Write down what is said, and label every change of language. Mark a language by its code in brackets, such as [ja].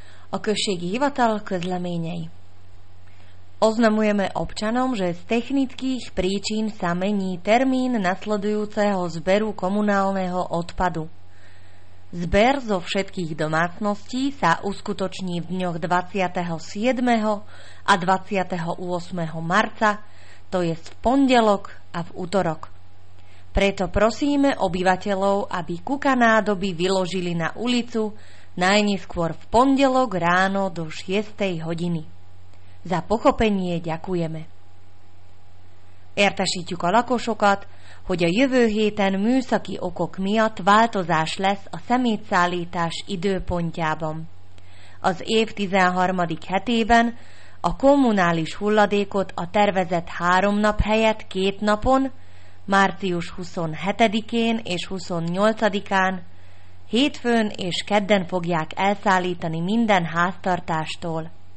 [hu] Okrsiek Hivatal Közleményei. [sk] Oznamujeme občanom, že z technických príčin sa mení termín nasledujúceho zberu komunálneho odpadu. Zber zo všetkých domácností sa uskutoční v dňoch 27. a 28. marca, to jest v pondelok a v utorok. Preto prosíme obyvateľov, aby kukanádoby vyložili na ulicu najneskôr v pondelok ráno do 6. hodiny. Za pochopenie ďakujeme. [hu] Értesítjük a lakosokat, hogy a jövő héten műszaki okok miatt változás lesz a szemétszállítás időpontjában. Az év 13. hetében a kommunális hulladékot a tervezett 3 nap helyett 2 napon, március 27-én és 28-án, hétfőn és kedden fogják elszállítani minden háztartástól.